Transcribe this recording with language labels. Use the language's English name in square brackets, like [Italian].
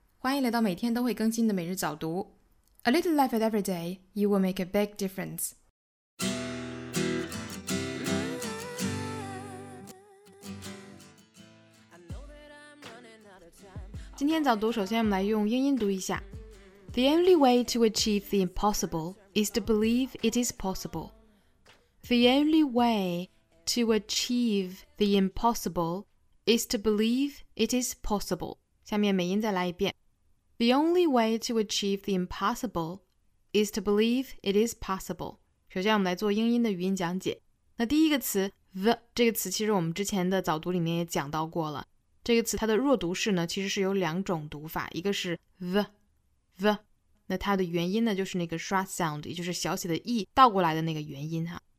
[Chinese] 欢迎来到每天都会更新的每日早读。 [English] A little life at every day, you will make a big difference. [Chinese] 今天早读首先我们来用英音读一下。 [English] The only way to achieve the impossible is to believe it is possible. The only way to achieve the impossible is to believe it is possible. [Chinese] 下面美音再来一遍。 [English] The only way to achieve the impossible is to believe it is possible. [Chinese] 首先我们来做英音的语音讲解。那第一个词 the 这个词其实我们之前的早读里面也讲到过了。这个词它的弱读式呢其实是有两种读法，一个是 the 那它的元音呢就是那个 schwa sound， 也就是小写的 e 倒过来的那个元音哈。